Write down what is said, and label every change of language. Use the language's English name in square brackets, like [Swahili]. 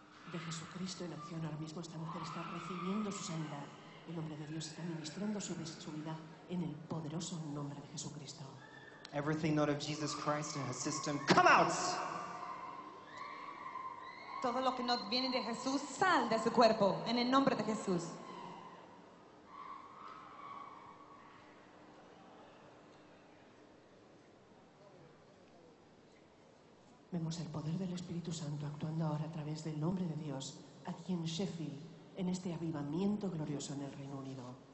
[Spanish] De Jesucristo en acción ahora mismo, esta mujer está recibiendo su sanidad. El hombre de Dios está ministrando sobre su vida en el poderoso nombre de Jesucristo. [English] Everything not of Jesus Christ in her system, come out! [Spanish] Todo lo que no viene de Jesús, sal de su cuerpo en el nombre de Jesús. Vemos el poder del Espíritu Santo actuando ahora a través del nombre de Dios aquí en Sheffield, en este avivamiento glorioso en el Reino Unido.